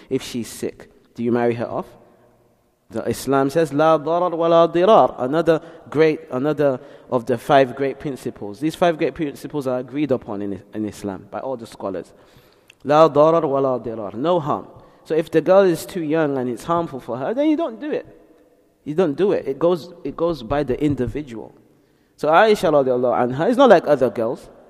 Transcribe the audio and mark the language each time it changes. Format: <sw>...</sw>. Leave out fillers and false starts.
<en>If she's sick, do you marry her off? The Islam says,</en> <ar>لا ضرر ولا ضرار.</ar> <en>Another of the five great principles. These five great principles are agreed upon in Islam by all the scholars.</en> <ar>لا ضرر ولا ضرار.</ar> <en>No harm. So if the girl is too young and it's harmful for her, then you don't do it. You don't do it. It goes by the individual. So Aisha radiallahu anha is not like other girls.</en>